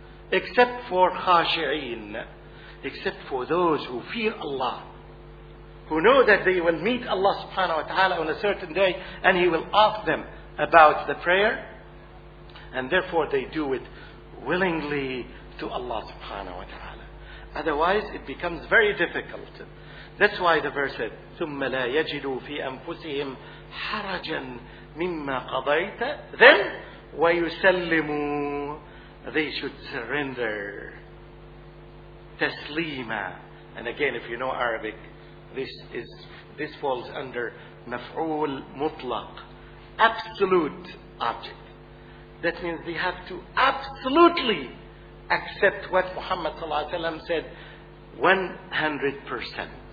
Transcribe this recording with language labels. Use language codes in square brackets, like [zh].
[en] Except for خاشعين. Except for those who fear Allah. Who know that they will meet Allah subhanahu wa ta'ala on a certain day and He will ask them about the prayer. And therefore they do it willingly to Allah subhanahu wa ta'ala. Otherwise it becomes very difficult. That's why the verse said, [ar] ثُمَّ لَا يَجِدُوا فِي أَنفُسِهِمْ حَرَجًا مِمَّا قَضَيْتَ then وَيُسَلِّمُوا. [en] They should surrender تَسْلِيمًا. And again, if you know Arabic, this falls under مَفْعُول مُطْلَق, absolute object. That means they have to absolutely accept what Muhammad صلى الله عليه وسلم said 100%.